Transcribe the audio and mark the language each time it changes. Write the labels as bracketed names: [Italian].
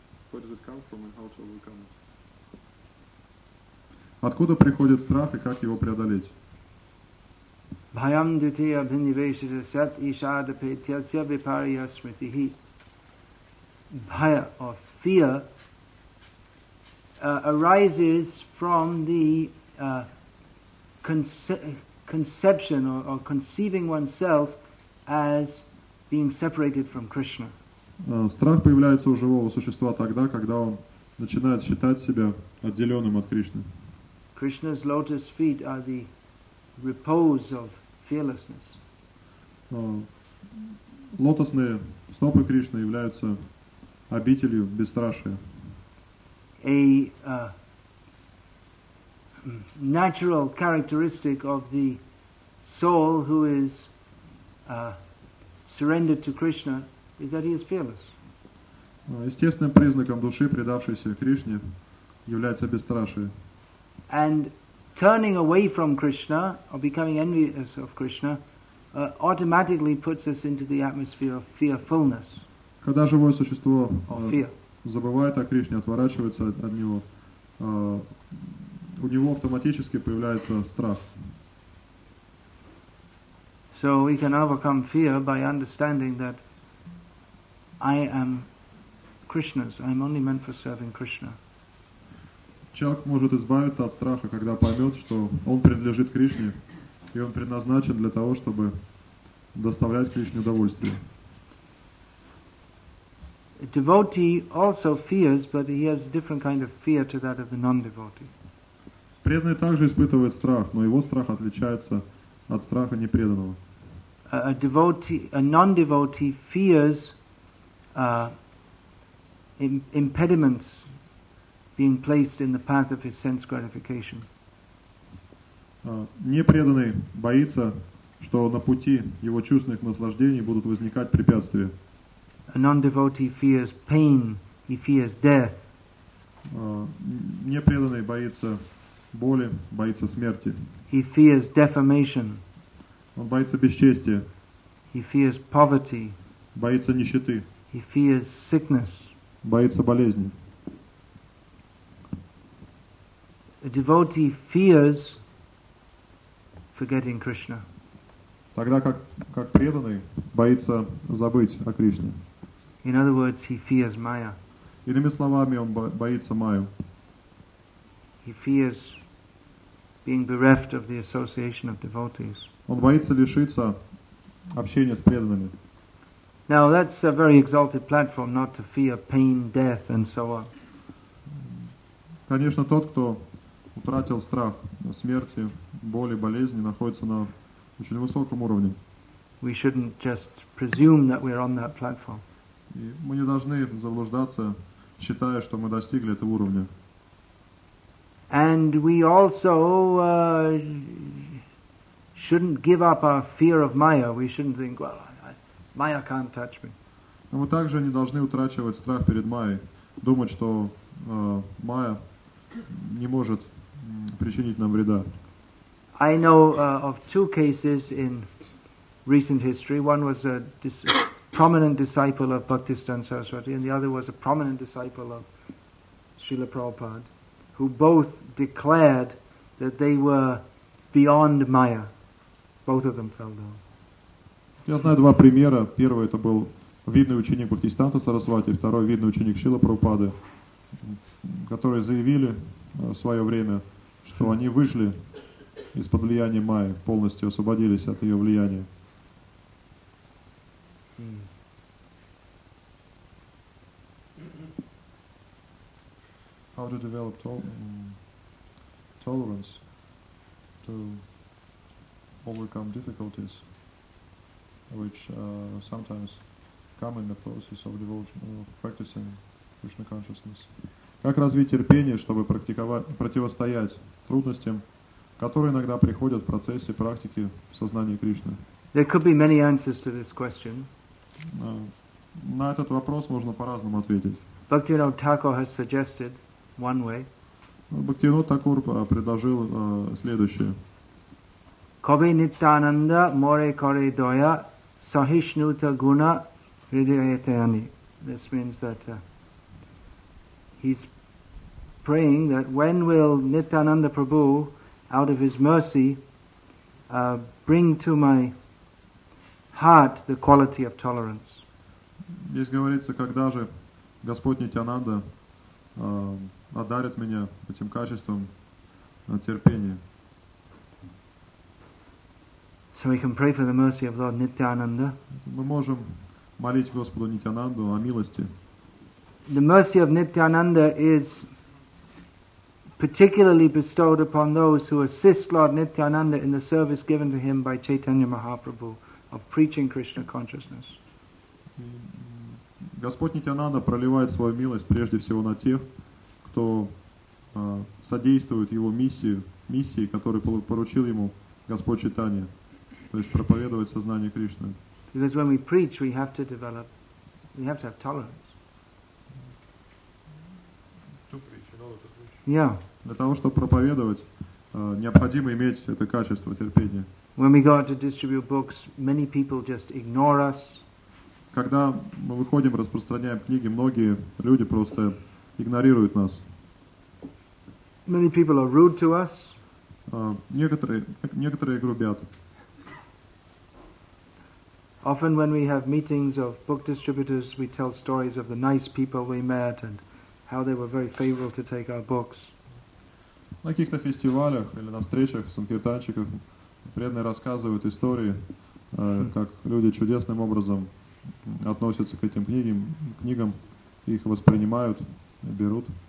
[English] Where does it come from and how to overcome it? [Russian] Откуда приходит страх и как его преодолеть? [Sanskrit] Bhayam dhiti abhinivesita sat ishadape tyasya viparya smritihi. [English] Bhaya, or fear, arises from the conception or conceiving oneself as being separated from Krishna. [Russian] Страх появляется у живого существа тогда, когда он начинает считать себя отделенным от Кришны. [English] Krishna's lotus feet are the repose of fearlessness. [Russian] Лотосные стопы Кришны являются обителью бесстрашия. [English] A natural characteristic of the soul who is surrendered to Krishna is that he is fearless. [Russian] Естественным признаком души, предавшейся Кришне, является бесстрашие. [English] And turning away from Krishna or becoming envious of Krishna automatically puts us into the atmosphere of fearfulness. [Russian] Когда живое существо забывает о Кришне, отворачивается от него, у него автоматически появляется страх. [English] So we can overcome fear by understanding that I am Krishna's. I am only meant for serving Krishna. [Russian] Человек может избавиться от страха, когда поймет, что он принадлежит Кришне, и он предназначен для того, чтобы доставлять Кришне удовольствие. [English] A devotee also fears, but he has a different kind of fear to that of the non-devotee. [Russian] Преданный также испытывает страх, но его страх отличается от страха непреданного. [English] A non-devotee fears impediments being placed in the path of his sense gratification. [Russian] Непреданный боится, что на пути его чувственных наслаждений будут возникать препятствия. [English] A non-devotee fears pain, he fears death. [Russian] Непреданный боится боли, боится смерти. [English] He fears defamation. [Russian] Он боится бесчестия. [English] He fears poverty. [Russian] Боится нищеты. [English] He fears sickness. [Russian] Боится болезни. [English] A devotee fears forgetting Krishna. [Russian] Тогда как преданный боится забыть о Кришне. [English] In other words, he fears Maya. [Russian] Иными словами, он боится Майю. [English] He fears being bereft of the association of devotees. [Russian] Он боится лишиться общения с преданными. [English] Now that's a very exalted platform, not to fear pain, death, and so on. [Russian] Конечно, тот, кто утратил страх смерти, боли, болезни, находится на очень высоком уровне. [English] We shouldn't just presume that we're on that platform. [Russian] И мы не должны заблуждаться, считая, что мы достигли этого уровня. [English] And we also shouldn't give up our fear of Maya. We shouldn't think, well, Maya can't touch me. [Russian] Но мы также не должны утрачивать страх перед Майей, думать, что Майя не может причинить нам вреда. [English] I know of two cases in recent history. One was prominent disciple of Bhaktisiddhanta Saraswati, and the other was a prominent disciple of Srila Prabhupada, who both declared that they were beyond Maya. Both of them fell down. [Russian] Я знаю два примера. Первый — это был видный ученик Бхактисиддханта Сарасвати, второй — видный ученик Шрила Прабхупады, которые заявили в свое время, что они вышли из-под влияния Майи, полностью освободились от ее влияния. [English] How to develop tolerance to overcome difficulties which sometimes come in the process of devotion or practicing Krishna consciousness. [Russian] Как развить терпение, чтобы противостоять трудностям, которые иногда приходят в процессе практики сознания Кришны? [English] There could be many answers to this question. [Russian] На этот вопрос можно по-разному ответить. [English] Bhaktivinoda Thakur has suggested one way. [Russian] Бхактивинода Такур предложил следующее. [Bangla] Кабе Нитянанда море коре доя сахишнута гуна ридиятани. [English] This means that he's praying that when will Nityananda Prabhu, out of his mercy, bring to my heart the quality of tolerance. [Russian] Здесь говорится, когда же Господь Нитянанда одарит меня этим качеством терпения. [English] So we can pray for the mercy of Lord Nityananda. [Russian] Мы можем молить Господу Нитянанду о милости. [English] The mercy of Nityananda is particularly bestowed upon those who assist Lord Nityananda in the service given to him by Chaitanya Mahaprabhu of preaching Krishna consciousness. [Russian] Господь Нитянанда проливает свою милость прежде всего на тех, кто содействует его миссии, которую поручил ему Господь Чайтанья, то есть проповедовать сознание Кришны. [English] Because when we preach, we have to develop, we have to have tolerance. To preach, in order to preach. Yeah. [Russian] Для того, чтобы проповедовать, необходимо иметь это качество терпения. [English] When we go out to distribute books, many people just ignore us. [Russian] Когда мы выходим, распространяем книги, многие люди просто игнорируют нас. [English] Many people are rude to us. [Russian] Некоторые грубят. [English] Often when we have meetings of book distributors, we tell stories of the nice people we met and how they were very favorable to take our books. [Russian] На каких-то фестивалях или на встречах санкиртанщиков преданные рассказывают истории, как люди чудесным образом относятся к этим книгам, их воспринимают и берут.